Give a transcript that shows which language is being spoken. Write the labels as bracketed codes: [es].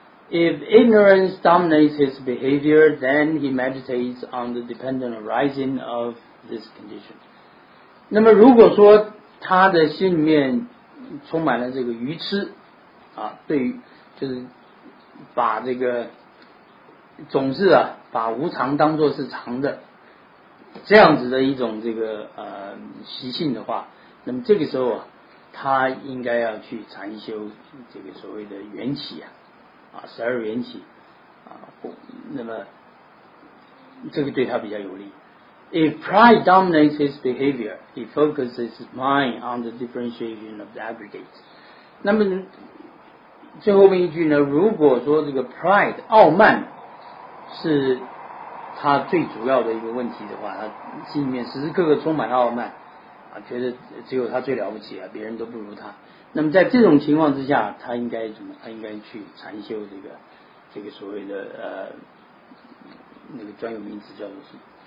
[en] If ignorance dominates his behavior, then he meditates on the dependent arising of this condition. [zh] 那么如果说他的心里面充满了这个愚痴、啊、对于就是把这个总是啊把无常当作是常的这样子的一种这个习性的话，那么这个时候啊他应该要去禅修这个所谓的缘起啊。啊，十二缘起啊，那么这个对他比较有利。 [en] If pride dominates his behavior, he focuses his mind on the differentiation of the aggregate. [zh] 那么最后面一句呢？如果说这个 pride 傲慢是他最主要的一个问题的话，他心里面时时刻刻充满傲慢啊，觉得只有他最了不起啊，别人都不如他。那么在这种情况之下，他应该怎么？他应该去禅修这个所谓的那个专有名词叫做什么？